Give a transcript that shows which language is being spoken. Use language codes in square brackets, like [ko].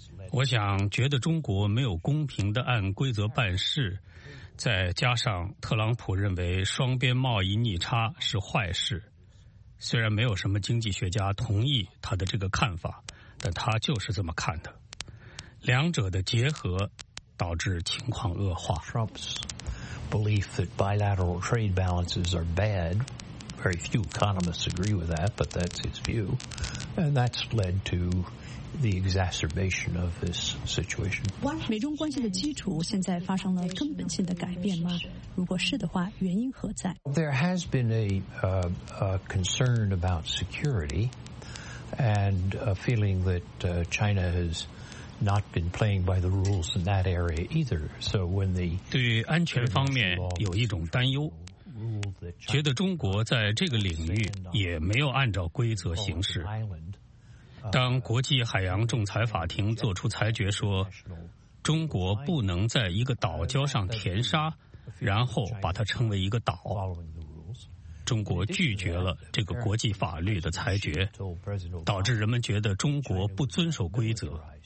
[zh] 我想觉得中国没有公平地按规则办事，再加上特朗普认为双边贸易逆差是坏事，虽然没有什么经济学家同意他的这个看法，但他就是这么看的。两者的结合导致情况恶化。 [en] Trump's belief that bilateral trade balances are bad, very few economists agree with that, but that's his view, and that's led to the exacerbation of this situation. [zh] 美中关系的基础现在发生了根本性的改变吗？如果是的话，原因何在？ [en] There has been a concern about security and a feeling that China has not been playing by the rules in that area either. So when the [zh] 对安全方面有一种担忧，觉得中国在这个领域也没有按照规则行事。当国际海洋仲裁法庭作出裁决说中国不能在一个岛礁上填沙，然后把它称为一个岛，中国拒绝了这个国际法律的裁决，导致人们觉得中国不遵守规则。